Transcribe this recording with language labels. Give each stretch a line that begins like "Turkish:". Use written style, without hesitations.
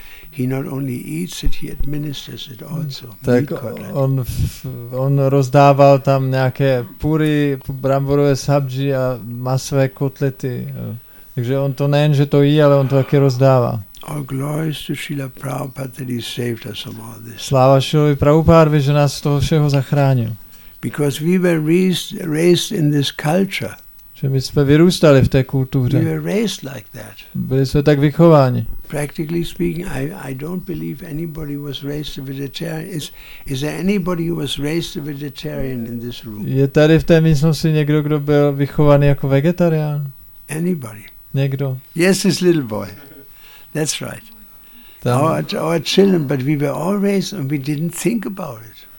English: He not only eats it, he administers it also.
Czech: Tak on rozdával tam nějaké puri, bramborové sabji a masové kotlety. Takže on to nejen, že to jí, ale on to taky rozdává.
English: All glories to Srila Prabhupada that he saved us from all this.
Czech: Sláva Srilovi Prabhupádovi, že nás z toho všeho zachránil.
English: Because we were raised in this culture.
Czech: Že my jsme vyrůstali v té kultuře.
English: We were raised like that.
Czech: Byli jsme tak vychováni.
English: Practically speaking, I don't believe anybody was raised a vegetarian. Is there anybody who was raised a vegetarian in this room?
Czech: Je tady v té místnosti někdo, kdo byl vychovaný jako vegetarián?
English: Anybody?
Czech: Někdo?
English: Yes, this little boy. That's right. Our children, but we were all raised and we didn't think about it.